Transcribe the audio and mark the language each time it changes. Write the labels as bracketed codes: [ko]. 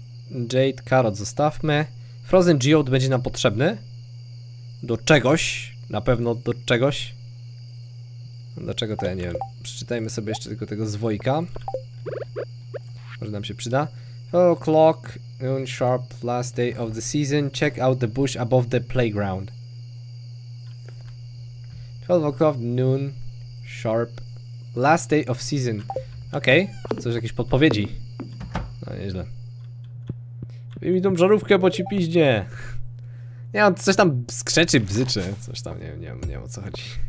[pl] Jade, carrot zostawmy. Frozen geode będzie nam potrzebny. Do czegoś. Na pewno do czegoś. Dlaczego to ja nie wiem. Przeczytajmy sobie jeszcze tylko tego zwojka. Może nam się przyda. [en] Hello clock, noon sharp, last day of the season. Check out the bush above the playground. 12 o'clock, noon sharp, last day of season. Okej, okay. [pl] Coś jakieś podpowiedzi. No nieźle. Wyjmij tą żarówkę, bo ci piździe. Nie, on coś tam skrzeczy, bzyczy. Coś tam, nie wiem o co chodzi.